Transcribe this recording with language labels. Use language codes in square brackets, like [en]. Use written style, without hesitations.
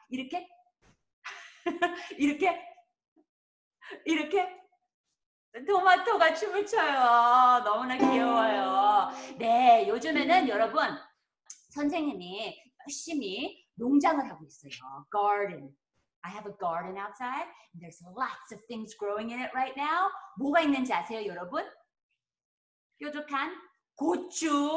[ko] 이렇게? 이렇게? 이렇게? 토마토가 춤을 춰요. 너무나 귀여워요. 네, 요즘에는 여러분 선생님이 열심히 농장을 하고 있어요. [en] Garden. I have a garden outside. And there's lots of things growing in it right now. [ko] 뭐가 있는지 아세요, 여러분? 뾰족한? 고추!